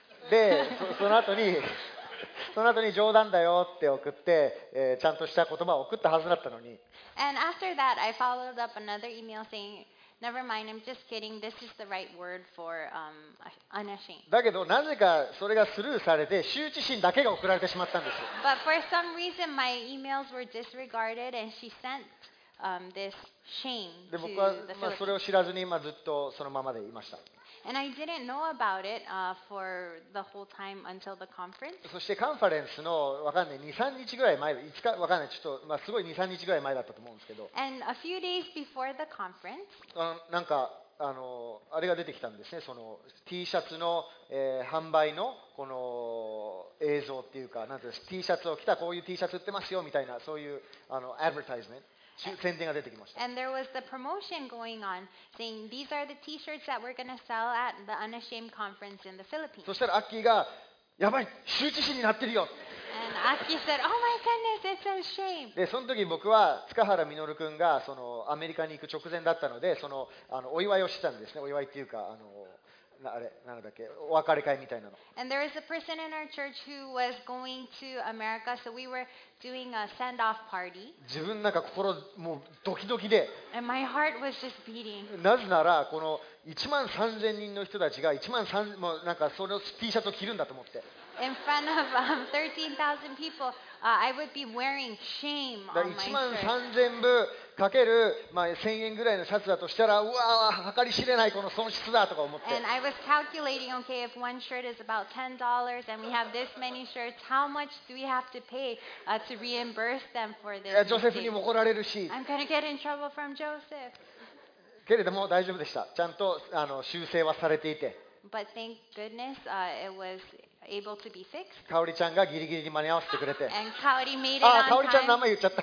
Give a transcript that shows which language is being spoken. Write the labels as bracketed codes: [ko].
[ja] で、その後に冗談だよって送って、ちゃんとした言葉を送ったはずだったのに。 [en] And after that, I followed up another email saying,Never mind, I'm just kidding. This is the right word for unashamed. [ja] だけどなぜかそれがスルーされて羞恥心だけが送られてしまったんですよ。 [en] But for some reason, my emails were disregarded, and she sent this shame to the Philippines. [ja] で僕はそれを知らずに今ずっとそのままでいました。 [en] And I didn't know about it for the whole time until the conference. [ja] そしてカンファレンスのわかんない2、3日ぐらい前、5日わかんない、ちょっと、まあ、すごい2、3日ぐらい前だったと思うんですけど。 [en] And a few days before the conference. [ja] なんかあれが出てきたんですね。その T シャツの、販売のこの映像っていうか、なんていうか、T シャツを着たこういう T シャツ売ってますよみたいな、そういうadvertisement。宣伝が出てきました。 [en] And there was the promotion going on, saying these are the T-shirts that we're going to sell at the Unashamed Conference in the Philippines. [ja] そしたらアッキーが、やばい、羞恥心になってるよ。 [en] And Aki said, Oh my goodness, it's a shame. [ja] で、その時僕は塚原実くんがそのアメリカに行く直前だったので、そのお祝いをしてたんですね。お祝いっていうかあれなんだっけ、お別れ会みたいなの。 [en] And there was a person in our church who was going to America, so we were doing a send-off party. [ja] 自分なんか心もうドキドキで。 [en] And my heart was just beating. [ja] なぜならこの1万3千人の人たちが1万3もうなんかその T シャツを着るんだと思って。 [en] In front of 13,000 people, I would be wearing shame on my shirt. [ja] 1万3千部かける、まあ、1000円ぐらいのシャツだとしたら、うわー、計り知れないこの損失だとか思って。 [en] And I was calculating, okay, if one shirt is about $10 and we have this many shirts, how much do we have to pay to reimburse them for this? [ja] ジョセフにも怒られるし。 [en] I'm going to get in trouble from Joseph. [ja] けれども大丈夫でした。ちゃんと修正はされていて。 [en] But thank goodness, it was able to be fixed. [ja] かおりちゃんがギリギリに間に合わせてくれて。 [en] And Kaori made it on time. [ja] かおりちゃんの名前言っちゃった。